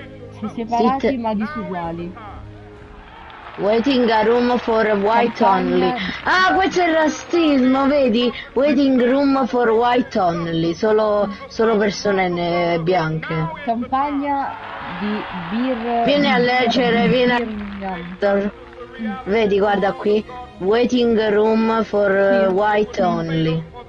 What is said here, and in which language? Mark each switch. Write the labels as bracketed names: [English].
[Italian] Si è separati ma disuguali. [English] Waiting a room for white only. [Italian] Ah, questo è il razzismo, vedi? [English] Waiting room for white only. [Italian] Solo persone bianche. Campagna di birra. Vieni a leggere, vieni a... Vedi, guarda qui. [English] Waiting room for white only.